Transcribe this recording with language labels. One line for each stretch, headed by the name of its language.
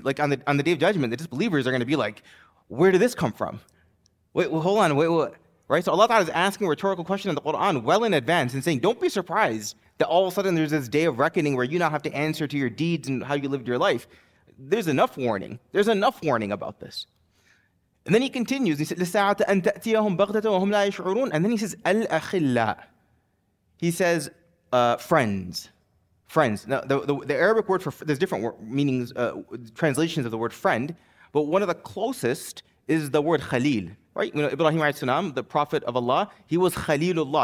English: Like on the day of judgment, the disbelievers are going to be like, where did this come from? Wait, hold on, right? So Allah Ta'ala is asking a rhetorical question in the Quran well in advance and saying, don't be surprised that all of a sudden there's this day of reckoning where you now have to answer to your deeds and how you lived your life. There's enough warning. There's enough warning about this. And then he continues. He says,
Arabic: لِسَاعَةَ أَن تَأْتِيَهُمْ بَغْتَةً وَهُمْ لَا يَشْعُرُونَ.
English: And then he says, الْأَخِلَّ. He says, friends. Friends. Now, the Arabic word for, there's different meanings, translations of the word friend. But one of the closest is the word Khalil, right? You know, Ibrahim alayhi salam, the prophet of Allah, he was Khalilullah.